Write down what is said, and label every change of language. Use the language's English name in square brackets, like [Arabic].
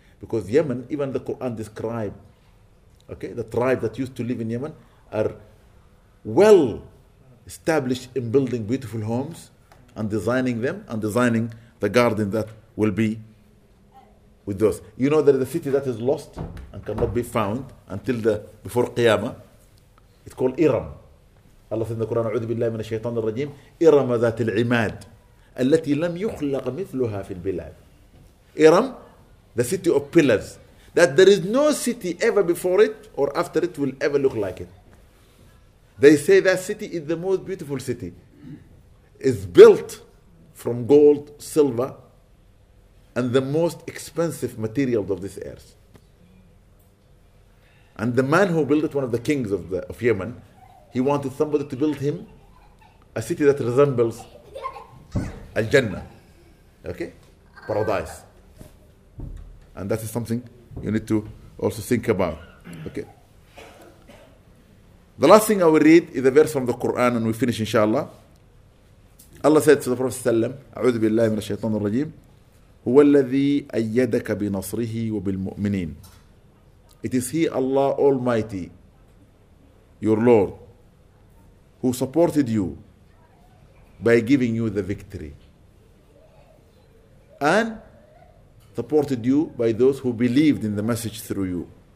[English] Because Yemen, even the Quran describes, okay, the tribe that used to live in Yemen are well established in building beautiful homes and designing them and designing the garden that will be with those. You know there is a city that is lost and cannot be found until before Qiyamah. It's called Iram. Allah said in the Quran, [Arabic] أعوذ بالله من الشيطان الرجيم إرم ذات العماد التي لم يخلق مثلها في البلاد. [English] Iram, the city of pillars. That there is no city ever before it or after it will ever look like it. They say that city is the most beautiful city. It's built from gold, silver, and the most expensive materials of this earth. And the man who built it, one of the kings of Yemen, he wanted somebody to build him a city that resembles Al-Jannah. Okay? Paradise. And that is something you need to also think about. Okay. The last thing I will read is a verse from the Quran and we finish inshallah. Allah said to the Prophet [Arabic] أعوذ بالله من الشيطان الرجيم هو الذي أيدك بنصره وبالمؤمنين. [English] It is He, Allah Almighty, your Lord, who supported you by giving you the victory. and supported you by those who believed in the message through you.